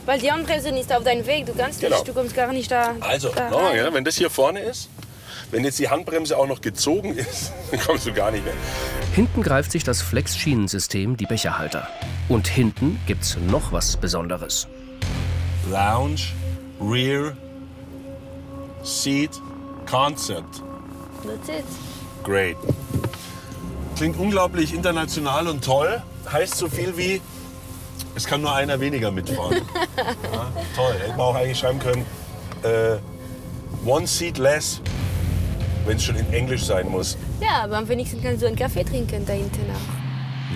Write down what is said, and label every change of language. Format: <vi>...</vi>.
<de>Weil die Handbremse ist auf deinem Weg. Du kannst nicht, du kommst gar nicht da. Also, da nochmal, ja, wenn das hier vorne ist, wenn jetzt die Handbremse auch noch gezogen ist, dann kommst du gar nicht mehr. Hinten greift sich das Flex-Schienensystem die Becherhalter. Und hinten gibt's noch was Besonderes.</de> <en>Lounge, Rear, Seat, Concept. That's it. Great.</en> <de>Klingt unglaublich international und toll. Heißt so viel wie, es kann nur einer weniger mitfahren. Ja, toll, hätte man auch eigentlich schreiben können,</de> <en>one seat less,</en> <de>wenn es schon in Englisch sein muss. Ja, aber am wenigsten kannst du einen Kaffee trinken da hinten auch.</de>